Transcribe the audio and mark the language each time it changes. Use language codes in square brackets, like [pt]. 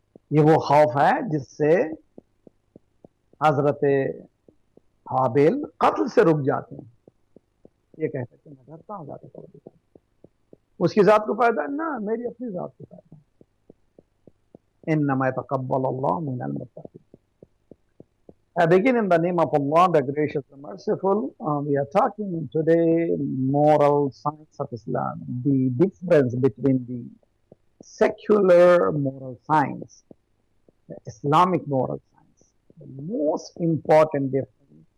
[ur] یہ وہ خوف ہے جس سے حضرت حابیل قتل سے رک جاتے ہیں. یہ کہتے ہیں میں ڈرتا ہوں ذات کو، اس کی ذات کو فائدہ نہ، میری اپنی ذات کو فائدہ. [ar] انما يتقبل الله من المتقين. [en] I begin in the name of Allah, the gracious, the merciful. We are talking today moral science of Islam, the difference between the secular moral science, the Islamic moral science, the most important difference.